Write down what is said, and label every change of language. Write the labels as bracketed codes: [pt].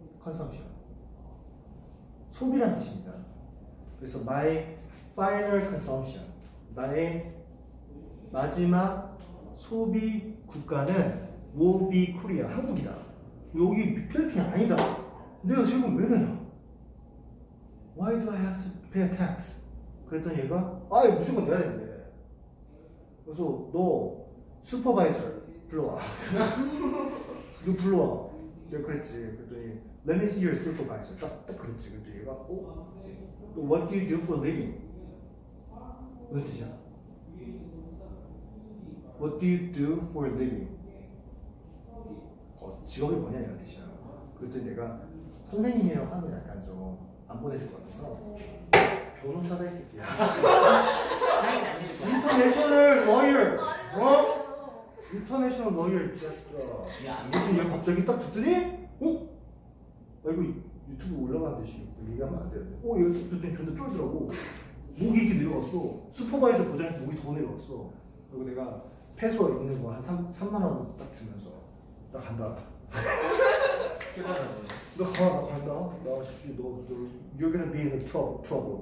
[ko] 컨섬션 소비란 뜻입니다. 그래서 [en] my final consumption [ko] 나의 마지막 소비 국가는 [en] will be Korea [ko] 한국이다. 여기 필리핀 아니다. 내가 세금 왜 내냐? [en] Why do I have to pay a tax? [ko] 그랬더니 얘가 아 이거 무조건 내야 된대. 그래서 너 슈퍼바이저 불러와. 너 불러와. 내가 그랬지. 그랬더니 [en] Let me see your supervisor. [ko] 딱 그랬지. 그랬더니 얘가 어? [en] What do you do for a living? [ko] 무슨 뜻이야? [en] What do you do for a living? [ko] 직업이 뭐냐 이런 뜻이야. 그랬더니 얘가 선생님이라고 하면 약간 좀 안 보내줄 것 같아서 변호사다 이 새끼야. 인터내셔널 로이어. 어? 인터내셔널 로이어 진짜. 무슨 얘 갑자기 딱 듣더니 어? 아 이거 유튜브 올라가는듯이 얘기하면 안 돼. 어? 얘 듣더니 존나 쫄더라고. 목이 이렇게 내려갔어. 슈퍼바이저 보자니 목이 더 내려갔어. 그리고 내가 패스워 있는 거 한 3만 원 딱 주면서 나 간다. 깨달아. 너 간다. 나 씨 너 [en] You're gonna be in trouble.